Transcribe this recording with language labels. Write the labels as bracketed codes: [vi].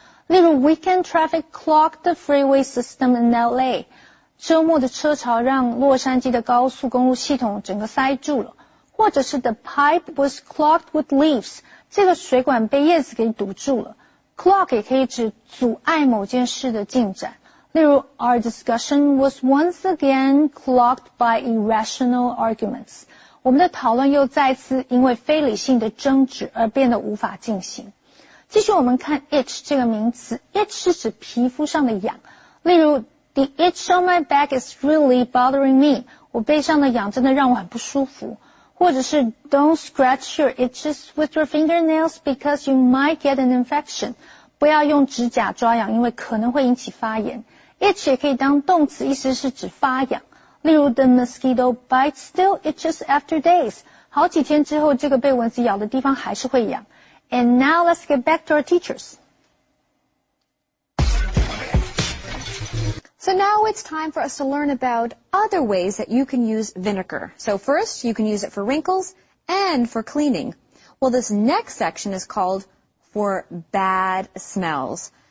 [zh] 例如 [en] ，weekend traffic clogged the freeway system in LA。 [zh] 周末的车潮让洛杉矶的高速公路系统整个塞住了。或者是 [en] the pipe was clogged with leaves。 [zh] 这个水管被叶子给堵住了。 Clog 也可以指阻碍某件事的进展。例如 [en] ,our discussion was once again clogged by irrational arguments. [zh] 我们的讨论又再次因为非理性的争执而变得无法进行。继续我们看 itch 这个名词。itch 是指皮肤上的痒。例如 [en] ,the itch on my back is really bothering me. [zh] 我背上的痒真的让我很不舒服。或者是 [en] don't scratch your itches with your fingernails because you might get an infection. [zh] 不要用指甲抓痒因为可能会引起发炎。Itch 也可以当动词意思是指发痒。例如 [en] the mosquito bite still itches after days. [zh] 好几天之后这个被蚊子咬的地方还是会痒。 [en] And now let's get back to our teachers. So now it's time for us to learn about other ways that you can use vinegar. So first, you can use it for wrinkles and for cleaning. Well, this next section is called for bad smells.